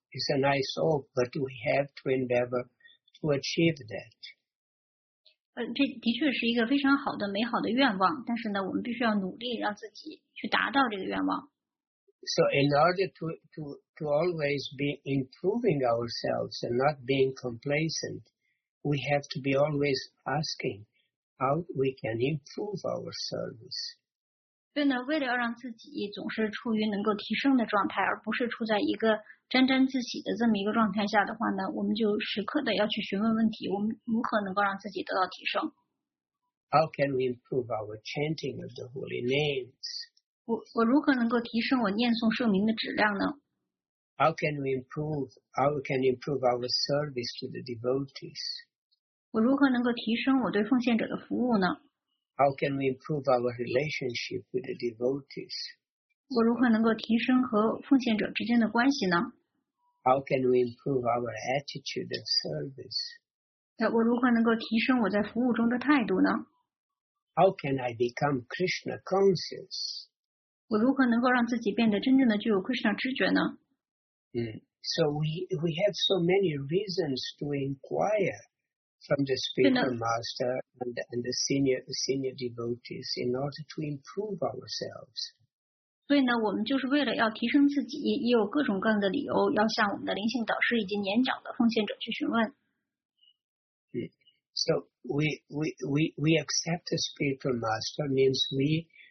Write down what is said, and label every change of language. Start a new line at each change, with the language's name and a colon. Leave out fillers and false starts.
English: It's a nice hope, but we have to endeavor to achieve that.
Chinese: 这的确是一个非常好的、美好的愿望，但是呢，我们必须要努力让自己去达到这个愿望。
English: So in order to always be improving ourselves and not being complacent, we have to be always asking how we can improve our service.
Chinese: 对呢，为了要让自己总是处于能够提升的状态，而不是处在一个沾沾自喜的这么一个状态下的话呢，我们就时刻的要去询问问题，我们如何能够让自己得到提升。
English: How can we improve our chanting of the holy names?
Chinese: 我如何能够提升我念诵圣名的质量呢？
English: How can we improve our service to the devotees?
Chinese: 我如何能够提升我对奉献者的服务呢？
English: How can we improve our relationship with the devotees?
Chinese: 我如何能够提升和奉献者之间的关系呢？
English: How can we improve our attitude of service?
Chinese: 我如何能够提升我在服务中的态度呢？
English: How can I become Krishna conscious?
Chinese: 我如何能够让自己变得真正的具有 Krishna 知觉呢？
English: So we have so many reasons to inquire from the spiritual master and the senior devotees in order to improve ourselves.
Chinese: 所以呢，我们就是为了要提升自己，也有各种各样的理由要向我们的灵性导师以及年长的奉献者去询问。
English: So we accept the spiritual master means we.